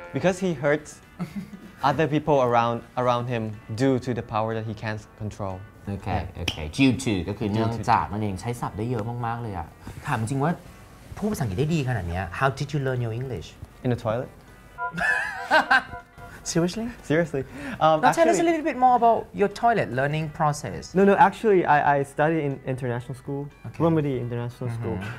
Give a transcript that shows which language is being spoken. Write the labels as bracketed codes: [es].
[en] Because he hurts other people around him due to the power that he can't control. Okay, okay. [th] Due to ก็คือเนื่องจากมันเองใช้ศัพท์ได้เยอะมากๆเลยอ่ะถามจริงว่าพูดภาษาอังกฤษได้ดีขนาดนี้ [en] How did you learn your English? In the toilet. Seriously? Seriously. Tell us a little bit more about your toilet learning process. No, actually I studied in international school, okay. Romedy International School.